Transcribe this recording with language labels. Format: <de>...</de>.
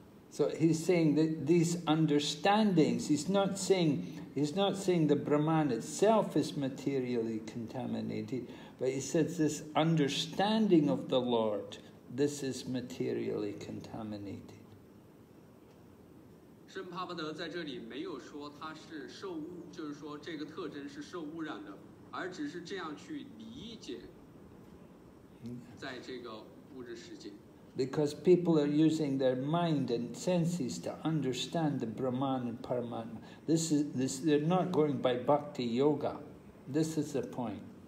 <en>So he's saying that these understandings, he's not saying the Brahman itself is materially contaminated, but he says this understanding of the Lord this is materially contaminated.</en> <zh>圣帕巴德在这里没有说它是受污，就是说这个特征是受污染的，而只是这样去理解，在这个物质世界。</zh> <en>Because people are using their mind and senses to understand the Brahman and Paramatma. They're not going by Bhakti Yoga. This is the point.</en>